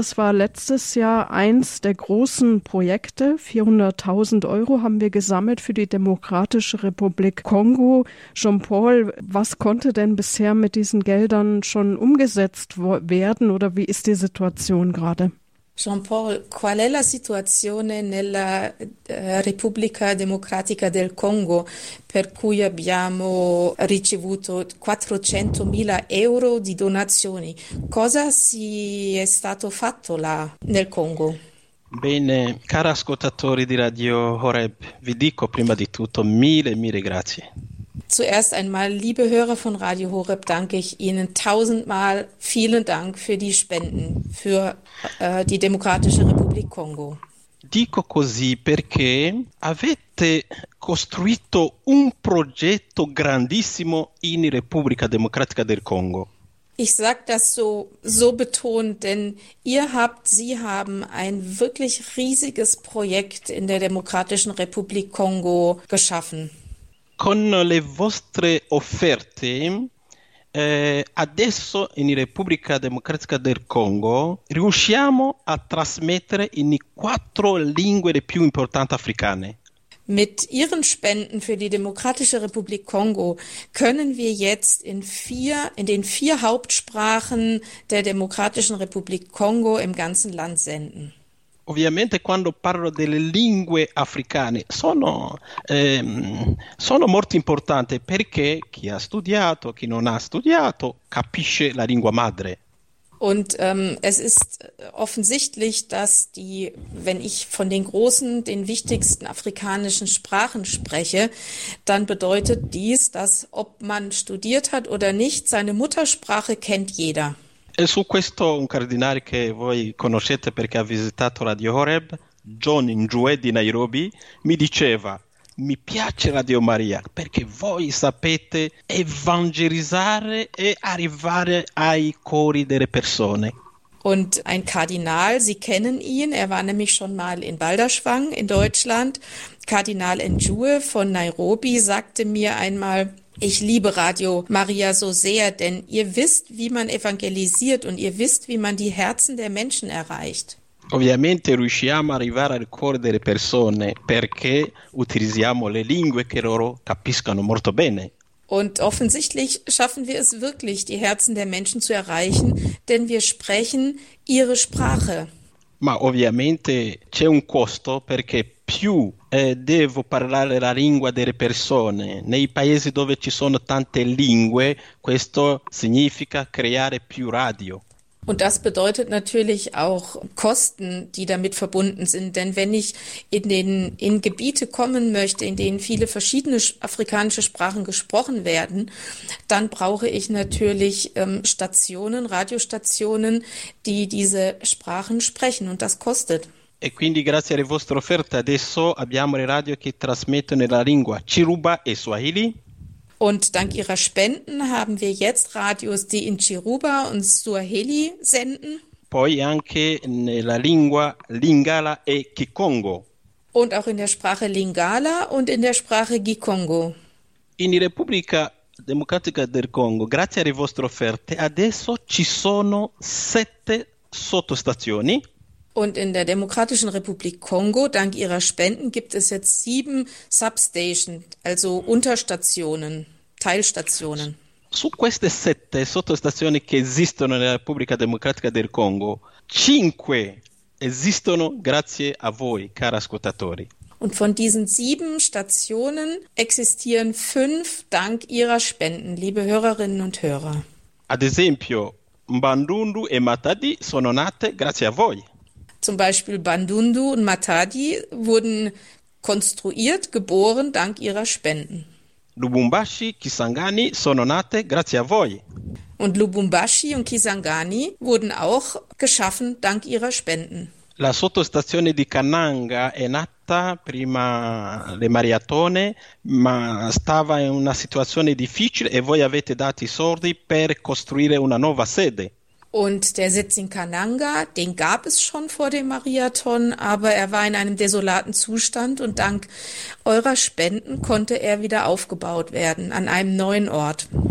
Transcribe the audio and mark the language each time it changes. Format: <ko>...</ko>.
<de>Das war letztes Jahr eins der großen Projekte. 400.000 Euro haben wir gesammelt für die Demokratische Republik Kongo. Jean-Paul, was konnte denn bisher mit diesen Geldern schon umgesetzt werden oder wie ist die Situation gerade?</de> <it>Jean-Paul, qual è la situazione nella Repubblica Democratica del Congo per cui abbiamo ricevuto 400.000 euro di donazioni? Cosa si è stato fatto là nel Congo? Bene, cari ascoltatori di Radio Horeb, vi dico prima di tutto mille grazie.</it> <de>Zuerst einmal, liebe Hörer von Radio Horeb, danke ich Ihnen tausendmal vielen Dank für die Spenden für die Demokratische Republik Kongo.</de> <it>Dico così perché avete costruito un progetto grandissimo in Repubblica Democratica del Congo.</it> <de>Ich sage das so betont, denn Sie haben ein wirklich riesiges Projekt in der Demokratischen Republik Kongo geschaffen.</de> <it>Con le vostre offerte, adesso in Repubblica Democratica del Congo, riusciamo a trasmettere in quattro lingue le più importanti africane.</it> <de>Mit Ihren Spenden für die Demokratische Republik Kongo können wir jetzt in den vier Hauptsprachen der Demokratischen Republik Kongo im ganzen Land senden.</de> <it>Ovviamente quando parlo delle lingue africane sono molto importanti perché chi ha studiato, chi non ha studiato, capisce la lingua madre.</it> <de>Und es ist offensichtlich, dass wenn ich von den großen, den wichtigsten afrikanischen Sprachen spreche, dann bedeutet dies, dass ob man studiert hat oder nicht, seine Muttersprache kennt jeder.</de> <it>E su questo un cardinale che voi conoscete perché ha visitato Radio Horeb, John Njue di Nairobi, mi diceva: mi piace Radio Maria perché voi sapete evangelizzare e arrivare ai cuori delle persone.</it> <de>Und ein Kardinal, Sie kennen ihn, er war nämlich schon mal in Balderschwang in Deutschland, Kardinal Njue von Nairobi, sagte mir einmal: ich liebe Radio Maria so sehr, denn ihr wisst, wie man evangelisiert und ihr wisst, wie man die Herzen der Menschen erreicht.</de> <it>Ovviamente riusciamo ad arrivare al cuore delle persone perché utilizziamo le lingue che loro capiscono molto bene.</it> <de>Und offensichtlich schaffen wir es wirklich, die Herzen der Menschen zu erreichen, denn wir sprechen ihre Sprache.</de> <it>Ma ovviamente c'è un costo perché più devo parlare la lingua delle persone nei paesi dove ci sono tante lingue, questo significa creare più radio.</it> <de>Und das bedeutet natürlich auch Kosten, die damit verbunden sind. Denn wenn ich in Gebiete kommen möchte, in denen viele verschiedene afrikanische Sprachen gesprochen werden, dann brauche ich natürlich Stationen, Radiostationen, die diese Sprachen sprechen. Und das kostet.</de> <it>E quindi grazie alle vostre offerte adesso abbiamo le radio che trasmettono nella lingua Chiruba e Swahili.</it> <de>Und dank Ihrer Spenden haben wir jetzt Radios, die in Chiruba und Swahili senden.</de> <it>Poi anche nella lingua Lingala e Kikongo.</it> <de>Und auch in der Sprache Lingala und in der Sprache Kikongo.</de> <it>In Repubblica Democratica del Congo, grazie alle vostre offerte, adesso ci sono 7 sottostazioni.</it> <de>Und in der Demokratischen Republik Kongo, dank ihrer Spenden, gibt es jetzt 7 Substations, also Unterstationen, Teilstationen.</de> <it>Su queste 7 sottostazioni che esistono nella Repubblica Democratica del Congo, 5 esistono grazie a voi, cari ascoltatori.</it> <de>Und von diesen 7 Stationen existieren 5 dank ihrer Spenden, liebe Hörerinnen und Hörer.</de> <it>Ad esempio, Mbandundu e Matadi sono nate grazie a voi.</it> <de>Zum Beispiel Bandundu und Matadi wurden konstruiert, geboren dank ihrer Spenden.</de> <it>Lubumbashi, Kisangani sono nate grazie a voi.</it> <de>Und Lubumbashi und Kisangani wurden auch geschaffen dank ihrer Spenden.</de> <it>La sottostazione di Kananga è nata prima le Mariatone, ma stava in una situazione difficile e voi avete dato i soldi per costruire una nuova sede.</it> <de>Und der Sitz in Kananga, den gab es schon vor dem Mariathon, aber er war in einem desolaten Zustand und dank eurer Spenden konnte er wieder aufgebaut werden an einem neuen Ort.</de>